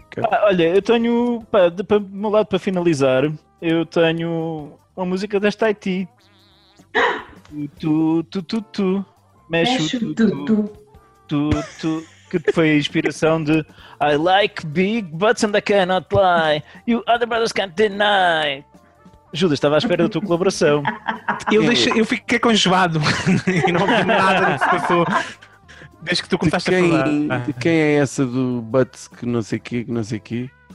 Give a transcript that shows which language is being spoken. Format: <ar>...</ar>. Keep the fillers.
<pt>Ah, olha, eu tenho, para de, meu lado para finalizar, eu tenho uma música desta Haiti. Tu, tu, tu, tu, tu. Mexo, tu, tu, tu, tu. Tu, Que foi a inspiração de</pt> <en>I like big butts and I cannot lie. You other brothers can't deny.</en> <pt>Judas, estava à espera da tua colaboração. Eu, deixo, eu, eu fiquei conjoado e não vi nada que se passou. Desde que tu começaste a falar. Ah. quem é essa do Butts que não sei quê, que não sei qui?</pt>